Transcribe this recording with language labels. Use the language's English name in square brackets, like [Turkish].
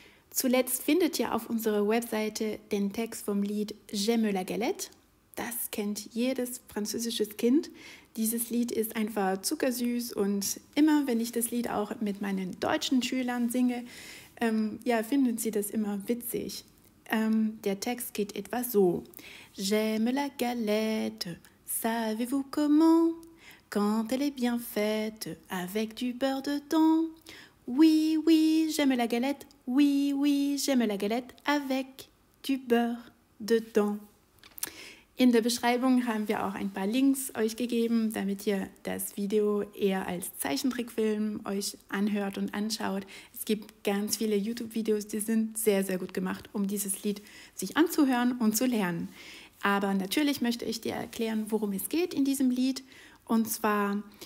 [German] Zuletzt findet ihr auf unserer Webseite den Text vom Lied J'aime la galette. Das kennt jedes französische Kind. Dieses Lied ist einfach zuckersüß und immer, wenn ich das Lied auch mit meinen deutschen Schülern singe, finden sie das immer witzig. Der Text geht etwa so. [French] J'aime la galette, savez-vous comment? Quand elle est bien faite, avec du beurre dedans. Oui, oui, j'aime la galette, oui, oui, j'aime la galette, avec du beurre dedans. [German] In der Beschreibung haben wir auch ein paar Links euch gegeben, damit ihr das Video eher als Zeichentrickfilm euch anhört und anschaut. Es gibt ganz viele YouTube-Videos, die sind sehr, sehr gut gemacht, um dieses Lied sich anzuhören und zu lernen. Aber natürlich möchte ich dir erklären, worum es geht in diesem Lied. Und zwar